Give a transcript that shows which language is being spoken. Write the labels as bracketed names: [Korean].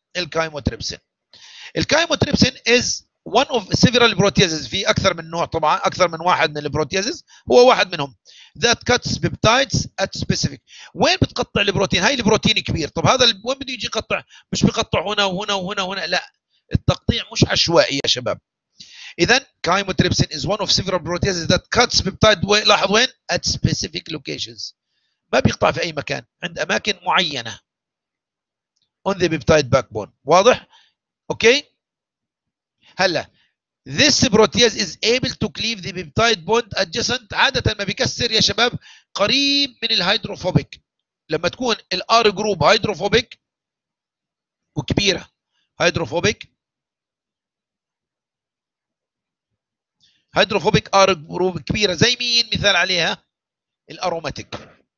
[Arabic] الكايموتريبسين، الكايموتريبسين از [English] one of several proteases، [Arabic] في اكثر من نوع طبعا، اكثر من واحد من البروتيزز، هو واحد منهم. [English] That cuts peptides at specific. [Arabic] وين بتقطع البروتين؟ هاي البروتين كبير، طب هذا وين بده يجي يقطع؟ مش بيقطع هنا وهنا وهنا وهنا، لا، التقطيع مش عشوائي يا شباب. [English] اذا chymotrypsin is one of several proteases that cuts peptide، [Arabic] لاحظ وين؟ [English] at specific locations، [Arabic] ما بيقطع في اي مكان، عند اماكن معينه [English] on the peptide backbone. [Arabic] واضح؟ اوكي. هلا [English] this protease is able to cleave the peptide bond adjacent، [Arabic] عادة ما بيكسر يا شباب قريب من الهيدروفوبيك، لما تكون الR group هيدروفوبيك وكبيرة، هيدروفوبيك هيدروفوبيك R group كبيرة، زي مين مثال عليها؟ الأروماتيك.